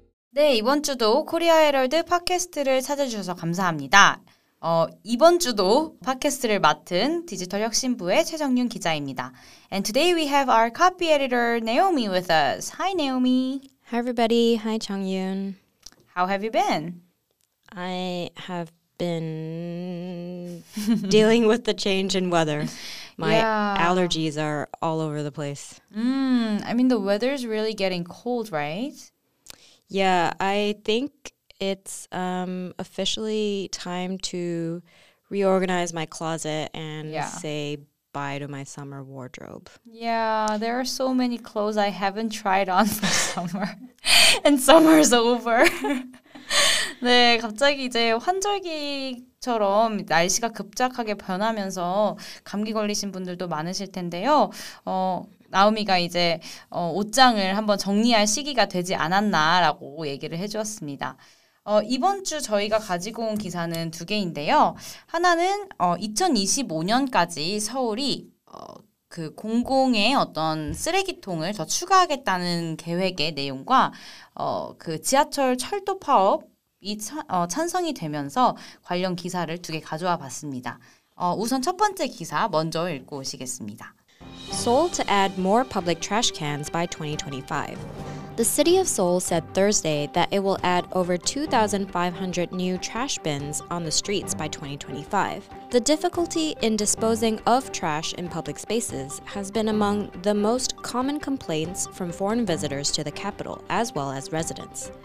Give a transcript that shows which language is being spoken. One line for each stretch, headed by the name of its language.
Korean: 네, 이번 주도 코리아 헤럴드 팟캐스트를 찾아주셔서 감사합니다. 이번 주도 팟캐스트를 맡은 디지털 혁신부의 최정윤 기자입니다.
English: And today we have our copy editor Naomi with us. Hi, Naomi. Hi, everybody. Hi, 정윤. How have you been? I have been dealing with the change in weather. My allergies are all over the place. I mean, the weather is really getting cold, right? Yeah, I think it's officially time to reorganize my closet and say bye to my summer wardrobe. Yeah, there are so many clothes I haven't tried on this summer. And summer's over.
Korean: 네, 갑자기 이제 환절기처럼 날씨가 급작하게 변하면서 감기 걸리신 분들도 많으실 텐데요. 나오미가 이제 옷장을 한번 정리할 시기가 되지 않았나라고 얘기를 해주었습니다. 이번 주 저희가 가지고 온 기사는 두 개인데요. 하나는 2025년까지 서울이 그 공공의 어떤 쓰레기통을 더 추가하겠다는 계획의 내용과 그 지하철 철도 파업이 찬성이 되면서 관련 기사를 두 개 가져와 봤습니다. 우선 첫 번째 기사 먼저 읽고 오시겠습니다.
English: Seoul to add more public trash cans by 2025. The city of Seoul said Thursday that it will add over 2,500 new trash bins on the streets by 2025. The difficulty in disposing of trash in public spaces has been among the most common complaints from foreign visitors to the capital, as well as residents.